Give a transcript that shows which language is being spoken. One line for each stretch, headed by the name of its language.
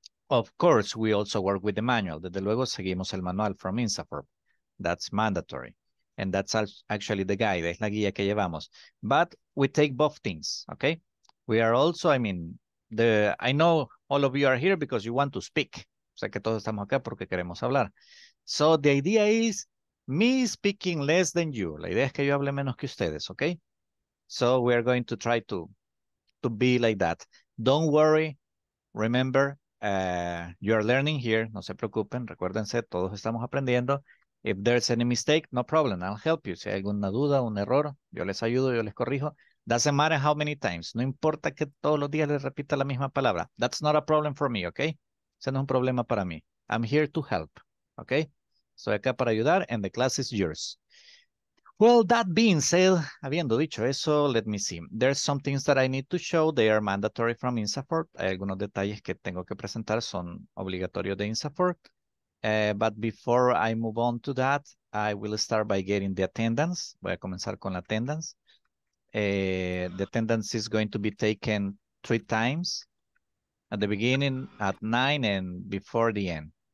English: Of course, we also work with the manual.
Spanish: Desde luego, seguimos el manual
English: from INSAFORP. That's mandatory. And that's actually the guide,
Spanish: es la guía que llevamos.
English: But we take both things, okay? We are also, I mean, I know all of you are here because you want to speak.
Spanish: O sea, que todos estamos acá porque queremos hablar.
English: So the idea is, me speaking less than you.
Spanish: La idea es que yo hable menos que ustedes, okay?
English: So we are going to try to be like that. Don't worry. Remember, you are learning here.
Spanish: No se preocupen. Recuérdense, todos estamos aprendiendo.
English: If there's any mistake, no problem. I'll help you.
Spanish: Si hay alguna duda, un error, yo les ayudo, yo les corrijo.
English: Doesn't matter how many times.
Spanish: No importa que todos los días le repita la misma palabra.
English: That's not a problem for me, okay?
Spanish: Ese no es un problema para mí.
English: I'm here to help, okay?
Spanish: Estoy acá para ayudar,
English: and the class is yours. Well, that being said,
Spanish: habiendo dicho eso,
English: let me see. There's some things that I need to show. They are mandatory from INSAFORT.
Spanish: Hay algunos detalles que tengo que presentar, son obligatorios de INSAFORT.
English: But before I move on to that, I will start by getting the attendance.
Spanish: Voy a comenzar con la
English: attendance. The attendance is going to be taken 3 times at the beginning, at 9, and before the end.